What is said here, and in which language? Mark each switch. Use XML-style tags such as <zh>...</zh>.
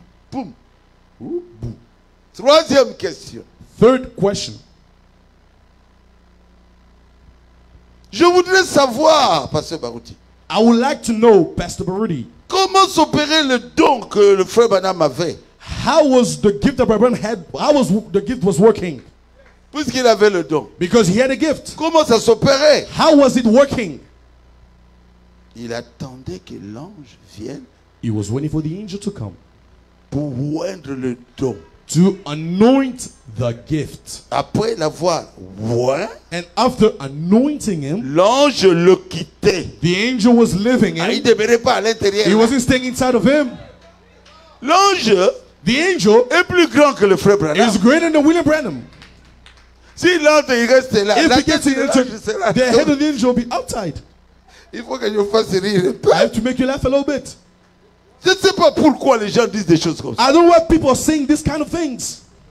<fr>Boom. Boom. Troisième question.</fr> <en>Third question.</en> <fr>Je voudrais savoir, Pasteur Baruti.</fr> <en>I would like to know, Pastor Baruti.</en> <fr>Comment s'opérait le don que le frère Branham avait?</fr> <en>How was the gift that Brother Branham had? How was the gift was working?</en> <fr>Puisqu'il avait le don.</fr> <en>Because he had a gift.</en> <fr>Comment ça s'opérait?</fr> <en>How was it working?</en> <fr>Il attendait que l'ange vienne.</fr> <en>He was waiting for the angel to come.</en> <fr>Pour oindre le don.</fr> <en>To anoint the gift.</en> <fr>Après l'avoir oint.</fr> <en>And after anointing him.</en> <fr>L'ange le quittait.</fr> <en>The angel was leaving him.</en> <fr>Il ne demeurait pas à l'intérieur.</fr> <en>He wasn't staying inside of him.</en> <fr>L'ange.</fr> <en>The angel.</en> <fr>Est plus grand que le frère Branham.</fr> <en>Is greater than William Branham.</en> <fr>Si l'ange reste là,</fr> <en>if</en> <fr>la</fr> <en>he gets</en> <fr>tête</fr> <en>the angel,</en> <fr>là,</fr> <en>the head of the angel will be outside.</en> <fr>Il faut que je fasse rire.</fr> <en>I have to make you laugh a little bit.</en> <fr>Je ne sais pas pourquoi les gens disent des choses comme ça.</fr> <en>I don't know why people are saying these kind of things.</en>